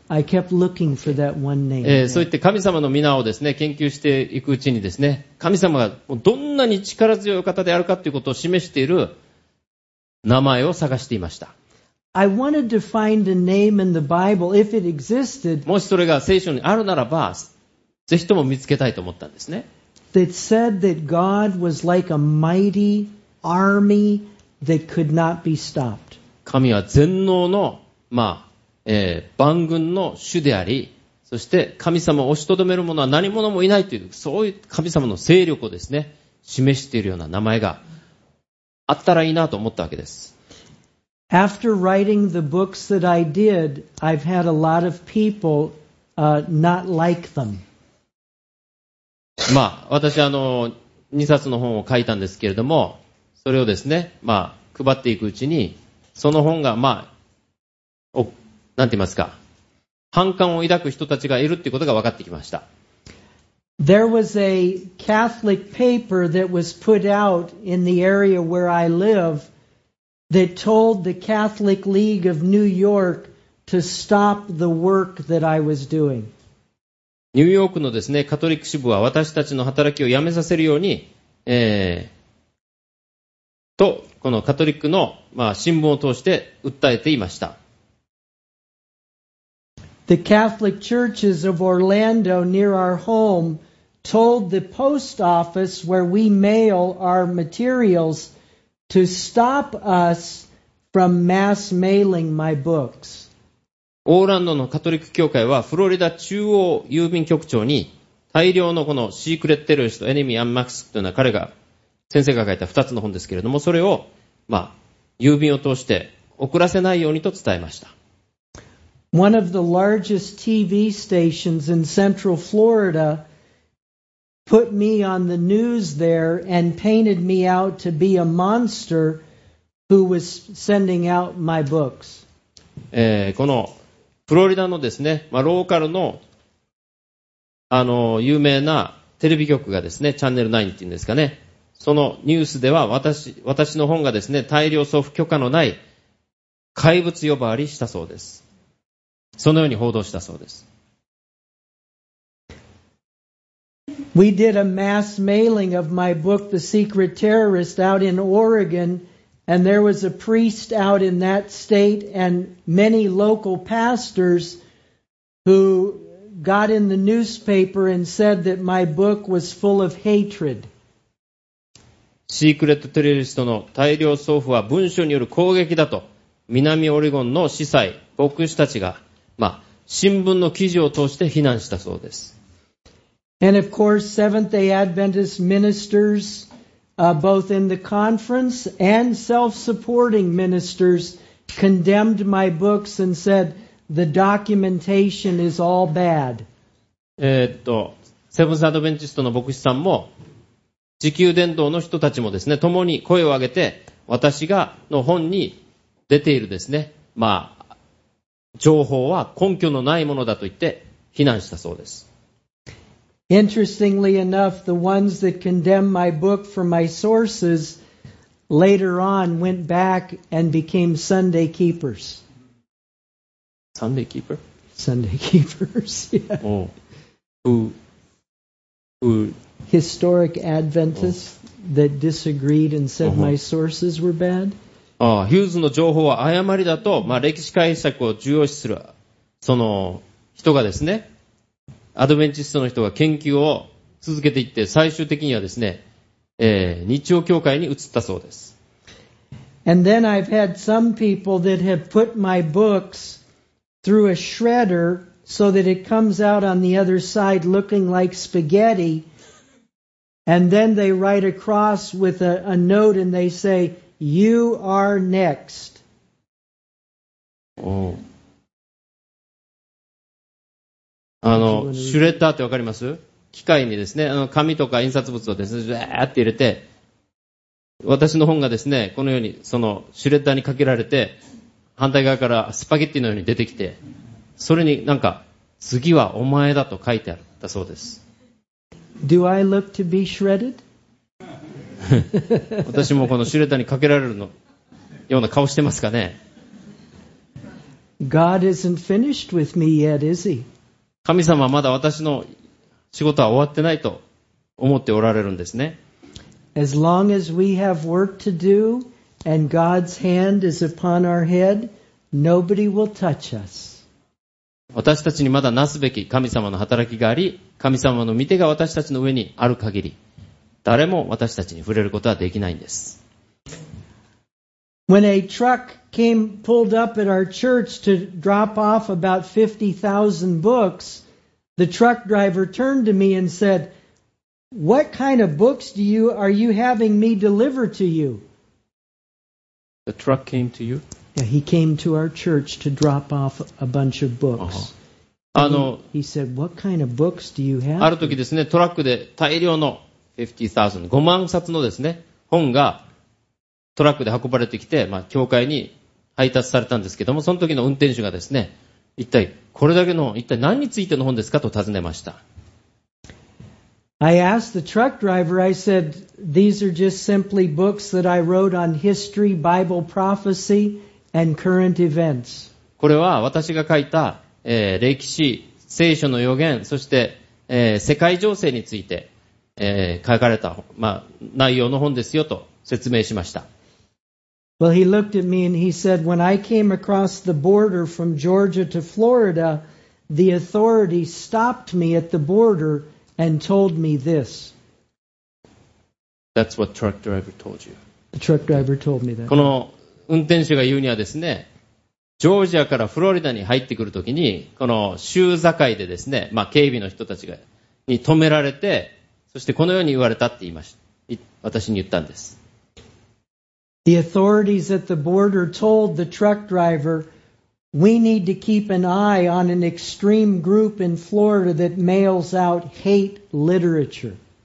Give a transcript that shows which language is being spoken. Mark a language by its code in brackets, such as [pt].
[en] I kept looking for that one name. [ja] そう言って神様の名をですね、研究していくうちにですね、神様がどんなに力強い方であるかということを示している名前を探していました。 [en] I wanted to find a name in the Bible if it existed. [ja] もしそれが聖書にあるならば、ぜひとも見つけたいと思ったんですね。 [en] That said that God was like a mighty army that could not be stopped. [ja] 神は全能の、万軍の主であり、そして神様を押しとどめる者は何者もいないという、そういう神様の勢力をですね、示しているような名前があったらいいなと思ったわけです。 [en] After writing the books that I did, I've had a lot of people, not like them. [ja] まあ、私、2冊の本を書いたんですけれども、それをですね、配っていくうちに、その本が、なんて言いますか、反感を抱く人たちがいるということが分かってきました。 [en] There was a Catholic paper that was put out in the area where I live. That told the Catholic League of New York to stop the work that I was doing. [ja] ニューヨークのですね、カトリック支部は私たちの働きをやめさせるように、とこのカトリックの、新聞を通して訴えていました。 [en] The Catholic churches of Orlando near our home told the post office where we mail our materials. To stop us from mass mailing my books. [ja] オーランドのカトリック教会はフロリダ中央郵便局長に大量のこのシークレットテロリストエネミー・アン・マックスというのは彼が先生が書いた2つの本ですけれども、それを郵便を通して送らせないようにと伝えました。 [en] One of the largest TV stations in Central Florida. Put me on the news there and painted me out to be a monster who was sending out my books. [ja] このフロリダのですね、ローカルの有名なテレビ局がですね、チャンネル9っていうんですかね、そのニュースでは私の本がですね、大量送付許可のない怪物呼ばわりしたそうです。そのように報道したそうです。 [en] We did a mass mailing of my book, The Secret Terrorist, out in Oregon, and there was a priest out in that state and many local pastors who got in the newspaper and said that my book was full of hatred. [ja] シークレットテロリストの大量送付は文書による攻撃だと、南オレゴンの司祭、牧師たちが、新聞の記事を通して非難したそうです。 [en] And of course, Seventh-day Adventist ministers, both in the conference and self-supporting ministers, condemned my books and said, the documentation is all bad. [ja] セブンス・アドベンチストの牧師さんも、自給伝道の人たちもですね、共に声を上げて、私がの本に出ているですね、まあ、情報は根拠のないものだと言って、非難したそうです。 [en] Interestingly enough, the ones that condemned my book for my sources later on went back and became Sunday keepers. Sunday keeper? Sunday keepers, yeah. Oh. Who? Historic Adventists that disagreed and said my sources were bad. [ja] ああ、ヒューズの情報は誤りだと、まあ、歴史解釈を重要視するその人がですね、アドベンチストの人が研究を続けていって、最終的にはですね、日曜教会に移ったそうです。 [en] And then I've had some people that have put my books through a shredder so that it comes out on the other side looking like spaghetti, and then they write across with a note and they say, You are next. Oh. [ja] あのシュレッダーって分かります？機械にですね、あの紙とか印刷物をですね、ジャーって入れて、私の本がですね、このようにそのシュレッダーにかけられて、反対側からスパゲッティのように出てきて、それになんか次はお前だと書いてあったそうです。 [en] Do I look to be shredded? [ja] 私もこのシュレッダーにかけられるのような顔してますかね。 [en] God isn't finished with me yet, is he? [ja] 神様はまだ私の仕事は終わってないと思っておられるんですね。 [en] As long as we have work to do and God's hand is upon our head, nobody will touch us. [ja] 私たちにまだなすべき神様の働きがあり、神様の御手が私たちの上にある限り、誰も私たちに触れることはできないんです。 [en] When a truck came pulled up at our church to drop off about 50,000 books, the truck driver turned to me and said, What kind of books are you having me deliver to you? The truck came to you? Yeah, he came to our church to drop off a bunch of books. Uh-huh. He said, What kind of books do you have? [ja] ある時ですね、トラックで大量の50,000、5万冊のですね、本がトラックで運ばれてきて、まあ、教会に配達されたんですけども、その時の運転手がですね、一体これだけの本、一体何についての本ですかと尋ねました。 [en] I asked the truck driver, I said, These are just simply books that I wrote on history, Bible prophecy, and current events. [ja] これは私が書いた、歴史、聖書の予言、そして、世界情勢について、書かれた、まあ、内容の本ですよと説明しました。 [en] Well, he looked at me and he said, when I came across the border from Georgia to Florida, the authority stopped me at the border and told me this. That's what truck driver told you. The truck driver told me that. [ja] この運転手が言うにはですね、ジョージアからフロリダに入ってくるときに、この州境でですね、まあ警備の人たちに止められて、そしてこのように言われたって言いました。私に言ったんです。 [en] The authorities at the border told the truck driver, we need to keep an eye on an extreme group in Florida that mails out hate literature.